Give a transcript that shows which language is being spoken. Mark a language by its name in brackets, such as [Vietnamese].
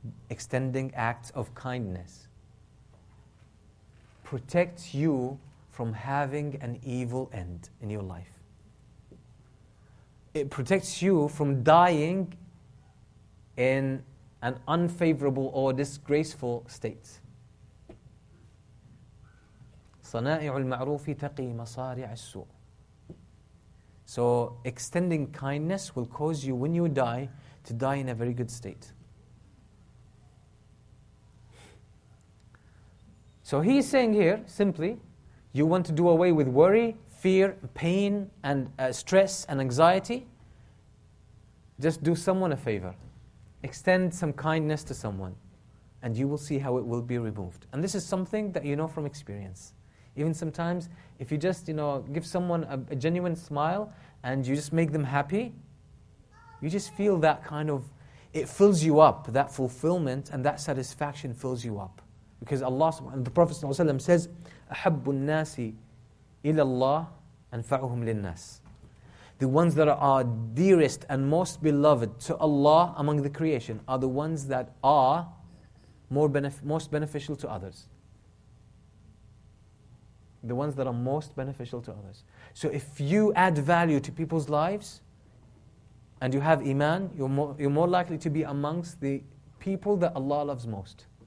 [English] Extending acts of kindness. Protects you from having an evil end in your life. It protects you from dying in an unfavorable or disgraceful state. [Arabic] صنائع المعروف تقي مصارع السوء. [English] So extending kindness will cause you when you die to die in a very good state. So he's saying here simply, you want to do away with worry, fear, pain, and stress and anxiety, just do someone a favor. Extend some kindness to someone and you will see how it will be removed. And this is something that you know from experience. Even sometimes, if you just, you know, give someone a genuine smile and you just make them happy, you just feel that kind of, it fills you up, that fulfillment and that satisfaction fills you up. Because Allah, and the Prophet ﷺ says, [Arabic] أَحَبُّ النَّاسِ إِلَى اللَّهِ أَنْفَعُهُمْ لِلنَّاسِ. [English] The ones that are dearest and most beloved to Allah among the creation are the ones that are most beneficial to others. The ones that are most beneficial to others. So if you add value to people's lives and you have iman, you're more likely to be amongst the people that Allah loves most.